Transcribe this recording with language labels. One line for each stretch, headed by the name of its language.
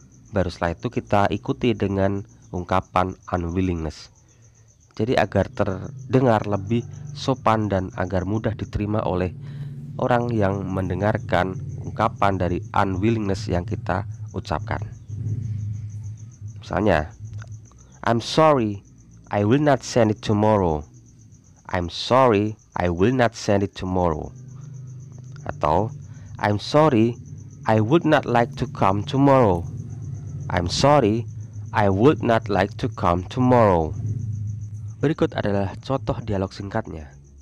Indonesian: Baru setelah itu kita ikuti dengan ungkapan unwillingness. Jadi agar terdengar lebih sopan dan agar mudah diterima oleh orang yang mendengarkan ungkapan dari unwillingness yang kita ucapkan.
English: Misalnya, I'm sorry, I will not send it tomorrow. I'm sorry, I will not send it tomorrow. Atau, I'm sorry, I would not like to come tomorrow. I'm sorry, I would not like to come tomorrow.
Indonesian: Berikut adalah contoh dialog singkatnya.